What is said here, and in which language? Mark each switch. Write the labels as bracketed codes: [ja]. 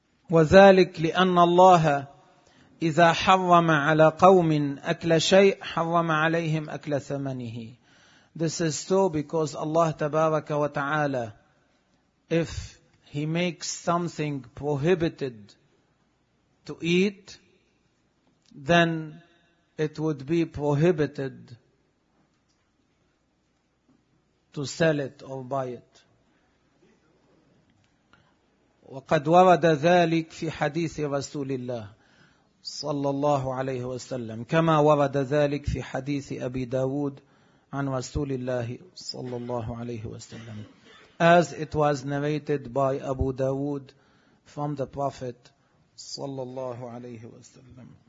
[ar] وذلك لأن الله إذا حرم على قوم أكل شيء حرم عليهم أكل ثمنه. [en] This is so because Allah [ar] تبارك وتعالى, [en] if He makes something prohibited to eat, then it would be prohibited to sell it or buy it. [ar] وقد ورد ذلك في حديث رسول الله صلى الله عليه وسلم كما ورد ذلك في حديث أبي داود عن رسول الله صلى الله عليه وسلم. [en] as it was narrated by Abu Dawood from the Prophet [ar] sallallahu alayhi wa sallam.